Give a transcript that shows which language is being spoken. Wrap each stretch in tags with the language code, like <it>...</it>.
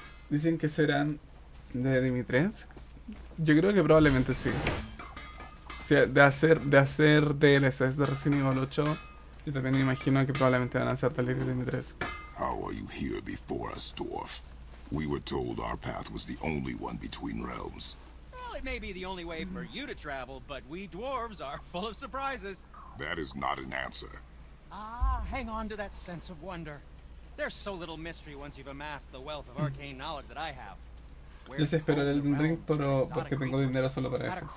<es>Dicen que serán de Dimitrescu. Yo creo que probablemente sí. O sea, de hacer DLCs de Resident Evil 8, yo también me imagino que probablemente van a ser peligro de Dimitrescu.</es> <en>How are you here before us, dwarf? We were told our path was the only one between realms. Well, it may be the only way for you to travel, but we dwarves are full of surprises. That is not an answer. Ah, hang on to that sense of wonder. There's so little mystery once you've amassed the wealth of arcane knowledge that I have.</en> <es>Yo sé esperar el ring, pero porque tengo dinero solo para eso.</es>